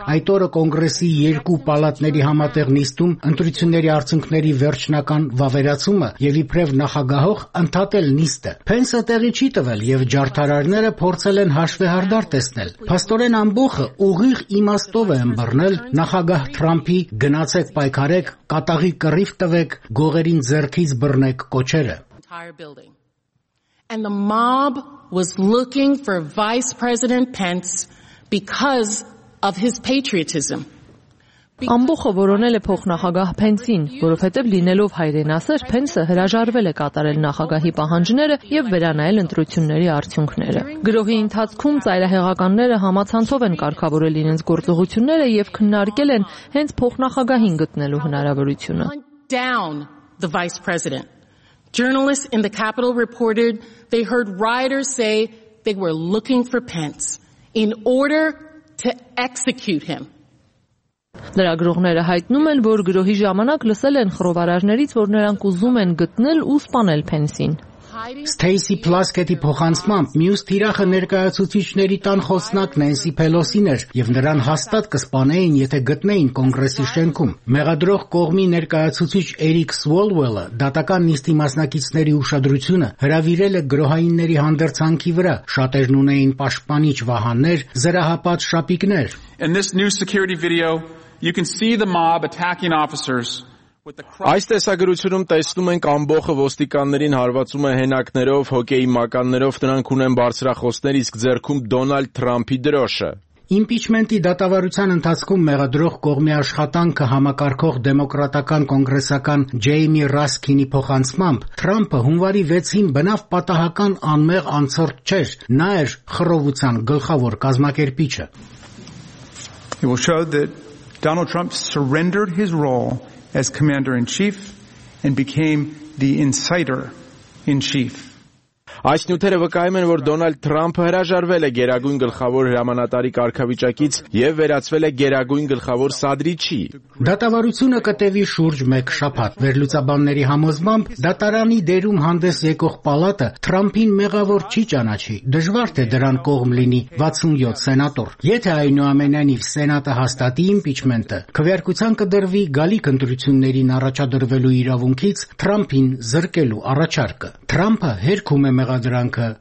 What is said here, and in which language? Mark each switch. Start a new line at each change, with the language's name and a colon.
Armenian: այդ օրը կոնգրեսի երկու պալատների համատեղ նիստում ընտրությունների արդյունքների վերջնական վավերացումը եւ իբրև նախագահող ընդհատել նիստը։ Փենսը տեղի չի տվել եւ ջարդարարները փորձել են հաշվեհարդար տեսնել։ Փաստորեն ամբոխը ուղիղ իմաստով է ըմբռնել նախագահ Թրամփի «գնացեք պայքարեք, կատաղի կռիվ տվեք, գողերին ձեռքից բռնեք» կոչերը։
English: And the mob was looking for Vice President Pence because of his patriotism.
Armenian: Ամբոխը որոնել է փոխնախագահ Պենսին, որովհետև լինելով հայրենասեր, Պենսը հրաժարվել է կատարել նախագահի պահանջները եւ վերանայել ընտրությունների արդյունքները։ Գրոհի ընթացքում ծայրահեղականները համացանցով են կարգավորել իրենց գործողությունները եւ քննարկել են հենց փոխնախագահին գտնելու հնարավորությունը։
English: Down the vice president. Journalists in the Capitol reported they heard rioters say they were looking for Pence in order to execute him.
Armenian: Լրագրողները հայտնում են, որ գրոհի ժամանակ լսել են խռովարարներից, որ նրանք ուզում են գտնել ու սպանել Պենսին։ Սթեյսի Պլասկետի փոխանցմամբ մյուս թիրախը ներկայացուցիչների տան խոսնակ Նենսի Փելոսին էր, եւ նրան հաստատ կսպանեին, եթե գտնեին կոնգրեսի շենքում։ Մեղադրող կողմի ներկայացուցիչ Էրիկ Սվոլվելը դատական նիստի մասնակիցների ուշադրությունը հրավիրել է գրոհայինների հանդերձանքի վրա։ Շատերն ունեին պաշտպանիչ վահաններ, զրահապատ շապիկներ։
English: In this new security video, you can see the mob attacking officers.
Armenian: Այս տեսագրությունում տեսնում ենք ամբոխը ոստիկաններին հարվածում է հենակներով, հոկեյի մականներով, նրանք ունեն բարձրախոսներ, իսկ ձեռքում Դոնալդ Թրամփի դրոշը։ Իմպիչմենտի դատավարության ընթացքում մեղադրող կողմի աշխատանքը համակարգող դեմոկրատական կոնգրեսական Ջեյմի Ռասքինի փոխանցմամբ Թրամփը հունվարի 6-ին բնավ պատահական անմեղ անցորդ չէր, նա էր խռովության գլխավոր կազմակերպիչը։
English: It will show that Donald Trump surrendered his role as commander-in-chief and became the inciter-in-chief.
Armenian: Այս նյութերը վկայում են, որ Դոնալդ Թրամփը հրաժարվել է գերագույն գլխավոր հրամանատարի կարգավիճակից եւ վերածվել է գերագույն գլխավոր սադրիչի։ Դատավարությունը կտևի շուրջ 1 շաբաթ։ Վերլուծաբանների համոզմամբ դատարանի դերում հանդես եկող պալատը Թրամփին մեղավոր չի ճանաչի։ Դժվար թե դրան կողմ լինի 67 սենատոր։ Եթե այնուամենայնիվ սենատը հաստատի իմպիչմենտը, քվեարկության կդրվի գալիք ընտրություններին առաջադրվելու իրավունքից Թրամփին զրկելու առաջարկը։ Թրամփը հերքում է մեղադրանքը,